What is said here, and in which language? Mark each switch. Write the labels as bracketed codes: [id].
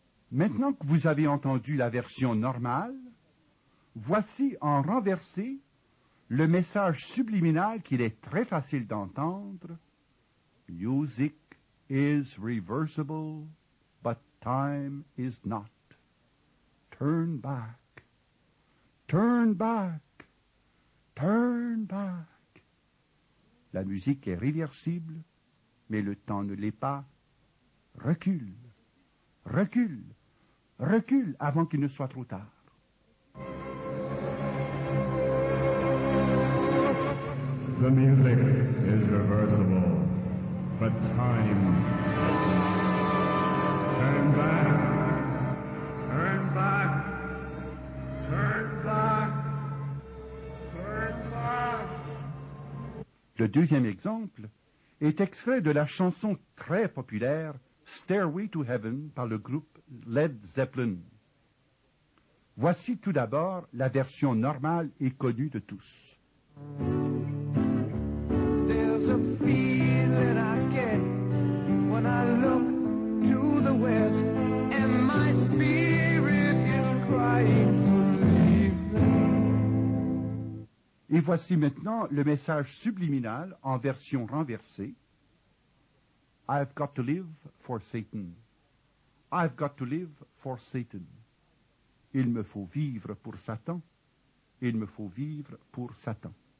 [fr] Maintenant que vous avez entendu la version normale, voici en renversé le message subliminal qu'il est très facile d'entendre. [en] Music is reversible, but time is not. Turn back. Turn back. Turn back. [fr] La musique est réversible, mais le temps ne l'est pas. Recule. Recule. Recule avant qu'il ne soit trop tard. [en] The music is reversible, but time. Turn back. Turn back. Turn back. Turn back. [fr] Le deuxième exemple est extrait de la chanson très populaire Stairway to Heaven par le groupe Led Zeppelin. Voici tout d'abord la version normale et connue de tous. [en] There's a feeling I get when I look to the west and my spirit is crying to leave. [fr] Et voici maintenant le message subliminal en version renversée. [en] I've got to live for Satan. I've got to live for Satan. [fr] Il me faut vivre pour Satan. Il me faut vivre pour Satan.